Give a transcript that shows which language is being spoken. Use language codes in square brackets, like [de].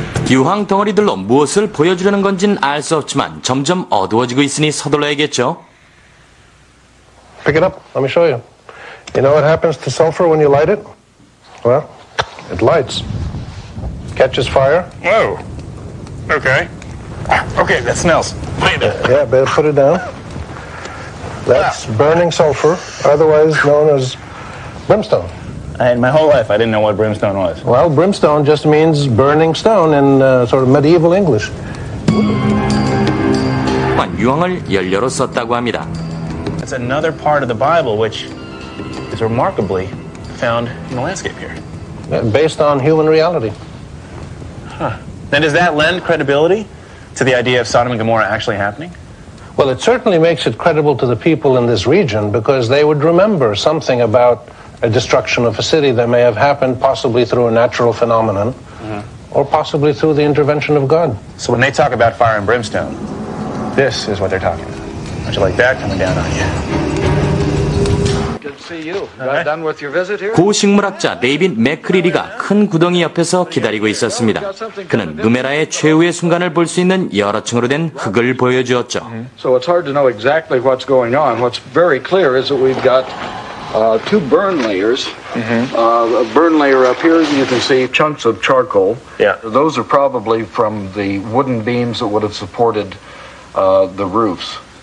[ko] 유황 덩어리들로 무엇을 보여주려는 건지는 알 수 없지만 점점 어두워지고 있으니 서둘러야겠죠. [en] Pick it up. Let me show you. You know what happens to sulfur when you light it? Well, it lights. Catches fire. Oh. Okay. Okay, that smells. Yeah, better put it down. That's burning sulfur, otherwise known as brimstone. In my whole life, I didn't know what brimstone was. Well, brimstone just means burning stone in sort of medieval English. [ko] 유황을 연료로 썼다고 합니다. [en] That's another part of the Bible which is remarkably found in the landscape here. Based on human reality. Huh. And does that lend credibility to the idea of Sodom and Gomorrah actually happening? Well, it certainly makes it credible to the people in this region because they would remember something about a destruction of a city that may have happened possibly through a natural phenomenon or possibly through the intervention of God. So when they talk about fire and brimstone, this is what they're talking about. Don't you like that coming down on you? Good to see you. Okay. Done with your visit here? [ko] 고식물학자 데이빈 맥크리리가 큰 구덩이 옆에서 기다리고 있었습니다. 그는 누메라의 최후의 순간을 볼 수 있는 여러 층으로 된 흙을 보여주었죠. [en] So it's hard to know exactly what's going on. What's very clear is that we've got two burn layers. A burn layer up here, you can see chunks of charcoal. Yeah. Those are probably from the wooden beams that would have supported the roofs.